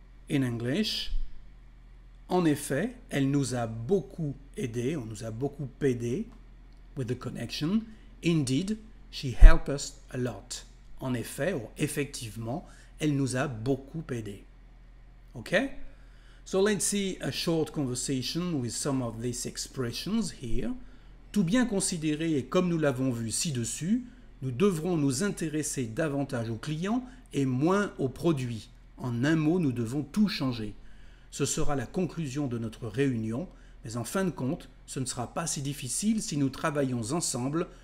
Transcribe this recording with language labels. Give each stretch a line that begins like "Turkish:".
English: In English,
French: en effet, elle nous a beaucoup aidé, on nous a beaucoup aidé,
English: with the connection, indeed, she helped us a lot.
French: En effet, ou effectivement, elle nous a beaucoup aidé.
English: Okay? So let's see a short conversation with some of these expressions here.
French: Tout bien considéré et comme nous l'avons vu ci-dessus, nous devrons nous intéresser davantage aux clients et moins aux produits. En un mot, nous devons tout changer. Ce sera la conclusion de notre réunion, mais en fin de compte, ce ne sera pas si difficile si nous travaillons ensemble.